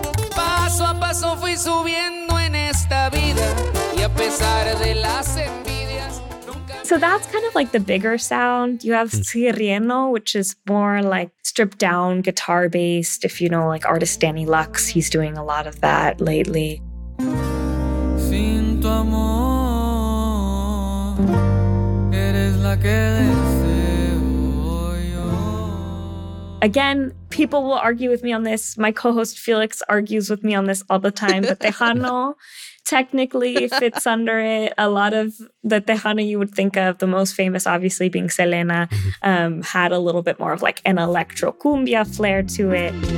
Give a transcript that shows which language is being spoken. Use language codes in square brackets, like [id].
[es] Paso a paso fui subiendo en esta vida. [en] So that's kind of like the bigger sound. You have Sireno, which is more like stripped down guitar based. If you know, like artist Danny Lux, he's doing a lot of that lately. [es] Sin tu amor, eres la que deseo yo. [en] Again, people will argue with me on this. My co-host Felix argues with me on this all the time, but Tejano technically fits under it. A lot of the Tejano you would think of, the most famous obviously being Selena, had a little bit more of like an electro cumbia flair to it.